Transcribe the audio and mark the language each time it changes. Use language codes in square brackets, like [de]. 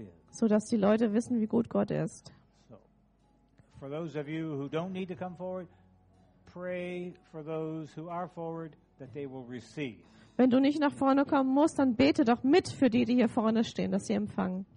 [de] Sodass die Leute wissen, wie gut Gott ist. [en] For those of you who don't need to come forward, pray for those who are forward that they will receive. [de] Wenn du nicht nach vorne kommen musst, dann bete doch mit für die, die hier vorne stehen, dass sie empfangen.